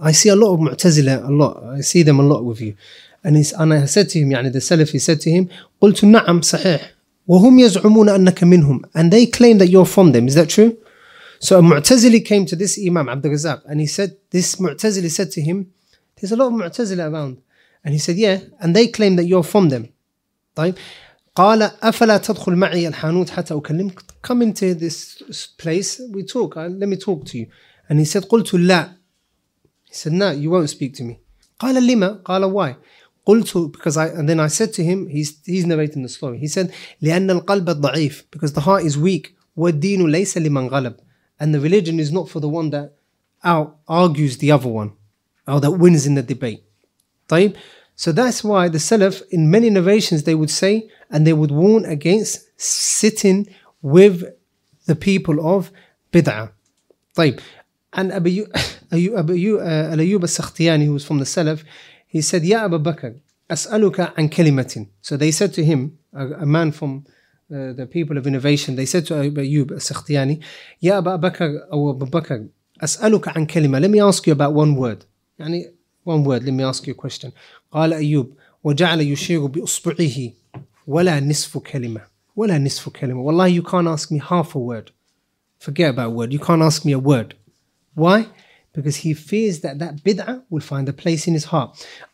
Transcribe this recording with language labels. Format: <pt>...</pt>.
<en>I see a lot of Mu'tazila, a lot. I see them a lot with you. And I said to him, يعني the Salafi said to him,</en> <ar>قلت نعم صحيح. وهم يزعمون أنك منهم.</ar> <en>And they claim that you're from them. Is that true? So a Mu'tazili came to this Imam, Abdul Razak, and he said, this Mu'tazili said to him, there's a lot of Mu'tazila around. And he said, yeah, and they claim that you're from them.</en> <ar>طيب. قال أفلا تدخل معي الحانوت حتى أكلمك.</ar> <en>Come into this place, we talk, let me talk to you. And he said,</en> <ar>قلت لا.</ar> <en>He said, no, you won't speak to me.</en> <ar>قال لما, قال</ar> <en>why. قلت, because I, and then I said to him, he's narrating the story. He said,</en> <ar>لأن القلب الضعيف,</ar> <en>because the heart is weak.</en> <ar>والدين ليس لمن غلب.</ar> <en>And the religion is not for the one that out argues the other one, or that wins in the debate.</en> <ar>طيب.</ar> <en>So that's why the Salaf, in many narrations, they would say and they would warn against sitting with the people of Bid'ah.</en> <ar>طيب.</ar> <en>And Al-Ayyub al-Sakhtiyani, who was from the Salaf, he said,</en> <ar>Ya Abu Bakr, As'aluka an kalimatin.</ar> <en>So they said to him, a man from the people of innovation, they said to Ayyub al-Sakhtiyani,</en> <ar>Ya Abu Bakr, As'aluka an kalima.</ar> <en>Let me ask you about one word. يعني one word, let me ask you a question.</en> <ar>قال أيوب وجعل يشير بأصبعه ولا نصف كلمة ولا نصف كلمة.</ar> <en>والله, you can't ask me half a word. Forget about a word. You can't ask me a word. Why? Because he fears that that bid'ah will find a place in his heart.</en>